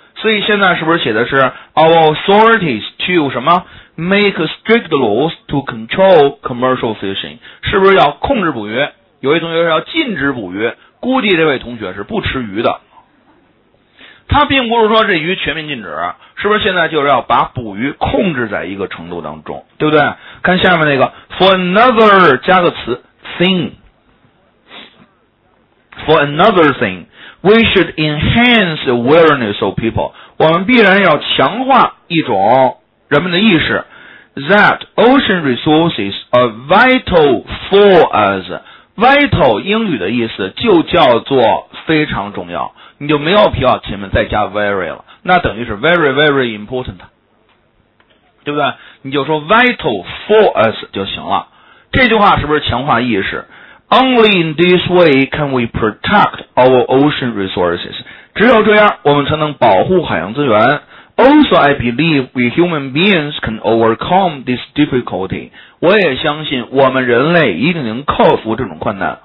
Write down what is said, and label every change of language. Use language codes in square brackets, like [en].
[zh] 所以现在是不是写的是 [en] our authorities to 什么 make strict laws to control commercial fishing， [zh] 是不是要控制捕鱼？有些同学是要禁止捕鱼，估计这位同学是不吃鱼的，他并不是说这鱼全面禁止，是不是现在就是要把捕鱼控制在一个程度当中，对不对？看下面那个 [en] for another [zh] 加个词 [en] thing， for another thingWe should enhance awareness of people. [zh] 我们必然要强化一种人们的意识 [en] that ocean resources are vital for us. [zh] Vital 英语的意思就叫做非常重要，你就没有必要前面再加 very 了，那等于是 [en] very very important， [zh] 对不对？你就说 [en] vital for us [zh] 就行了。这句话是不是强化意识？ [en] Only in this way can we protect our ocean resources. [zh] 只有这样我们才能保护海洋资源。 [en] Also, I believe we human beings can overcome this difficulty. [zh] 我也相信我们人类一定能克服这种困难。